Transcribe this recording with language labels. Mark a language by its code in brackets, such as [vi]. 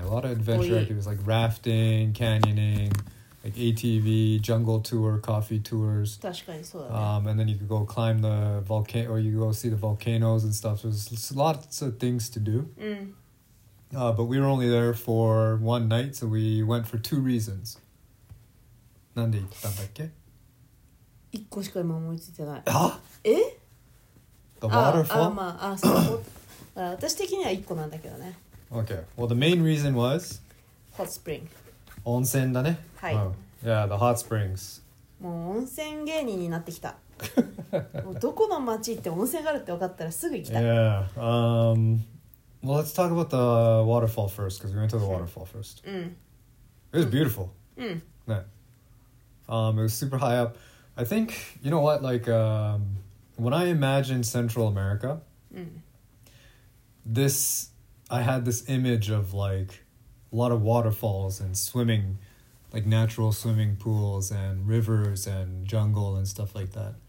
[en] A lot of adventure activities like rafting, canyoning, like ATV, jungle tour, coffee tours. [ja] 確かにそうだね。 [en] And then you could go climb the volcano, or you could go see the volcanoes and stuff. So there's lots of things to do. But we were only there for one night, so we went for two reasons. [ja] なんで行ったんだっけ？一個しか今思いついてない。あ？え？ [en] The waterfall? [ja] まあ、あ、そう。私的には一個なんだけどね。 [en] Okay. Well, the main reason was? Hot spring. [ja] 温泉だね。はい。 [en] Oh. Yeah, the hot springs. [ja] もう温泉芸人になってきた。もうどこの町行って温泉があるって分かったらすぐ行きたい。 [en] Yeah. Well, let's talk about the waterfall first, because we went to the waterfall first. It was beautiful. It was super high up. I think, you know what, like, when I imagined Central America, I had this image of, like, a lot of waterfalls and swimming, like, natural swimming pools and rivers and jungle and stuff like that.